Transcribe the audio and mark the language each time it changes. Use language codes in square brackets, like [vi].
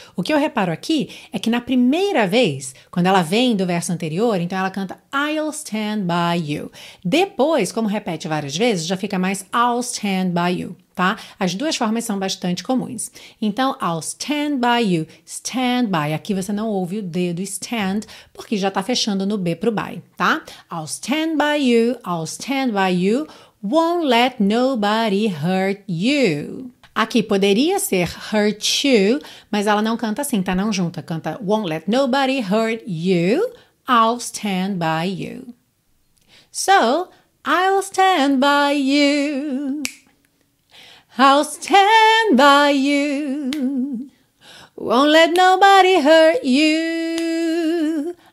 [pt] O que eu reparo aqui é que na primeira vez, quando ela vem do verso anterior, então ela canta [en] I'll stand by you. [pt] Depois, como repete várias vezes, já fica mais [en] I'll stand by you, [pt] tá? As duas formas são bastante comuns. Então, [en] I'll stand by you, stand by. [pt] Aqui você não ouve o D do stand, porque já tá fechando no B pro by, tá? [en] I'll stand by you, won't let nobody hurt you. [pt] Aqui poderia ser [en] hurt you, [pt] mas ela não canta assim, tá? Não junta, canta [en] won't let nobody hurt you. I'll stand by you. So, I'll stand by you. I'll stand by you. Won't let nobody hurt you.